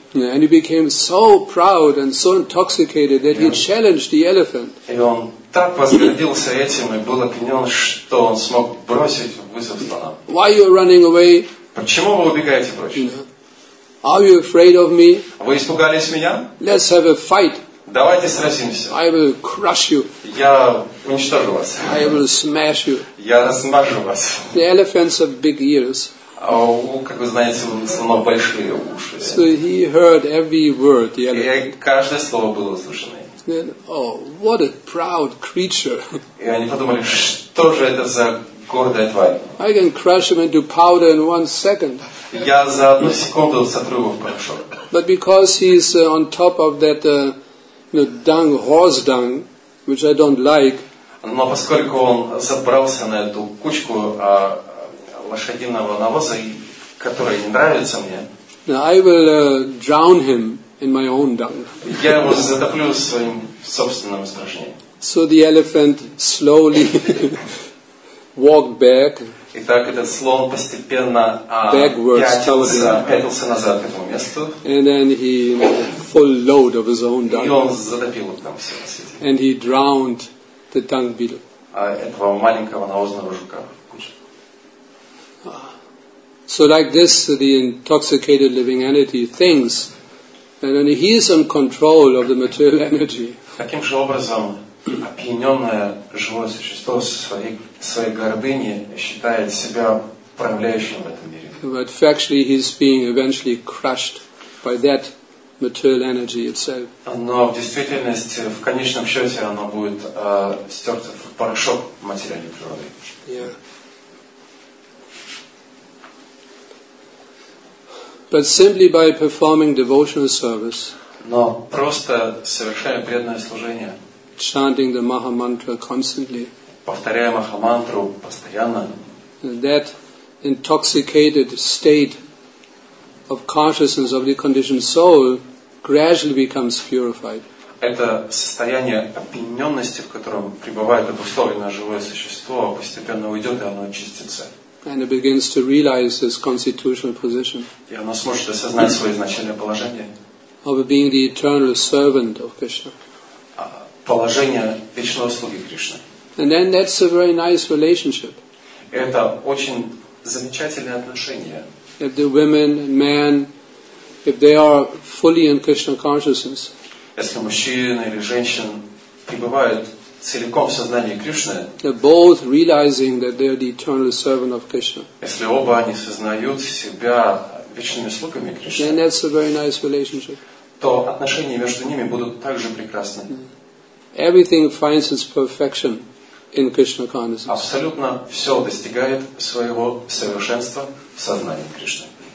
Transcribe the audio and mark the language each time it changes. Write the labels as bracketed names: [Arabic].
[English] And he became so proud and so intoxicated that he challenged the elephant. [Russian] И он так возгордился этим и был опьянен, что он смог бросить вызов слонам. [English] Why are you running away? [Russian] Почему вы убегаете прочь? [English] Are you afraid of me? [Russian] Вы испугались меня? [English] Let's have a fight. [Russian] Давайте сразимся. [English] I will crush you. [Russian] Я уничтожу вас. [English] I will smash you. [Russian] Я размажу вас. [English] The elephants have big ears. [Russian] А как вы знаете, у слонов большие уши. [English] So he heard every word, the elephant. [Russian] И каждое слово было услышано. [English] Then, oh, what a proud creature! [Russian] И они подумали, что же это за гордая тварь? [English] I can crush him into powder in 1 second. [Russian] Я за одну секунду сотру его в порошок. [English] But because he's on top of that, dung, horse dung, which I don't like. [Russian] Но поскольку он забрался на эту кучку лошадиного навоза, которая не нравится мне. [English] Now I will drown him in my own dung. [Russian] Я его затоплю своим собственным испражнением. [English] So the elephant slowly walked back. [Russian] И так этот слон постепенно пятился назад к этому месту. [English] And then he full load of his own dung. [Russian] И он затопил там все. [English] And he drowned the dung beetle. [Russian] Этого маленького навозного жука. [English] So like this, the intoxicated living entity thinks that only he is in control of the material energy. [Russian] Таким же образом, опьяненное живое существо своей гордыни считает себя управляющим в этом мире. [English] But factually, he is being eventually crushed by that material energy itself. [Russian] Но в действительности, в конечном счете, оно будет стерто в порошок материальной природы. [English] But simply by performing devotional service, [Russian] но просто совершая преданное служение, [English] chanting the Maha Mantra constantly, [Russian] повторяя Маха Мантру постоянно, [English] that intoxicated state of consciousness of the conditioned soul gradually becomes purified. [Russian] Это состояние опьяненности, в котором пребывает обусловленное живое существо, постепенно уйдет и оно очистится. [English] And it begins to realize its constitutional position. [Russian] И оно сможет осознать свое изначальное положение. [English] Of being the eternal servant of Krishna. [Russian] Положение вечного слуги Кришны. [English] And then that's a very nice relationship. [Russian] Это очень замечательное отношение. [English] If the women, men, if they are fully in Krishna consciousness. [Russian] Если мужчина или женщина пребывают целиком в сознании Кришны. [English] They're both realizing that they are the eternal servant of Krishna. [Russian] Если оба они сознают себя вечными слугами Кришны. [English] Then that's a very nice relationship. [Russian] То отношения между ними будут также прекрасны. [English] Everything finds its perfection in Krishna consciousness. [Russian] Абсолютно все достигает своего совершенства в сознании Кришны.